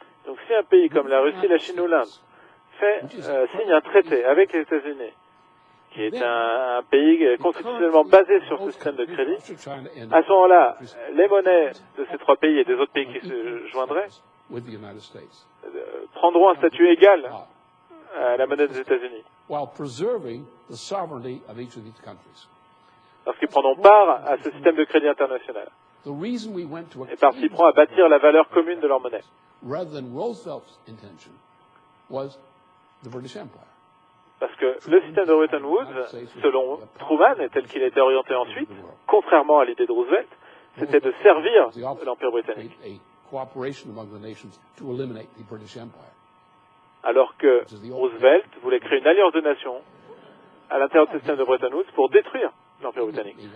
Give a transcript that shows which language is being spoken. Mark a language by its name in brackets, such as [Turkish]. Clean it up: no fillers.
[French] donc si un pays comme la Russie, la Chine ou l'Inde fait signe un traité avec les États-Unis, qui est un pays constitutionnellement basé sur ce système de crédit, à ce moment-là, les monnaies de ces trois pays et des autres pays qui se joindraient [English] with the United States. [French] Prendront un statut égal à la monnaie des États-Unis. [English] While preserving the sovereignty of each of these countries. [French] Lorsqu'ils prendront part à ce système de crédit international. [English] The reason we went to [French] a et participeront à bâtir la valeur commune de leur monnaie. [English] Rather than Roosevelt's intention was the British Empire. [French] Parce que le système de Bretton Woods, selon Truman et tel qu'il a été orienté ensuite, contrairement à l'idée de Roosevelt, c'était de servir l'Empire britannique. Alors que Roosevelt voulait créer une alliance de nations à l'intérieur du système de Bretton Woods pour détruire l'Empire britannique.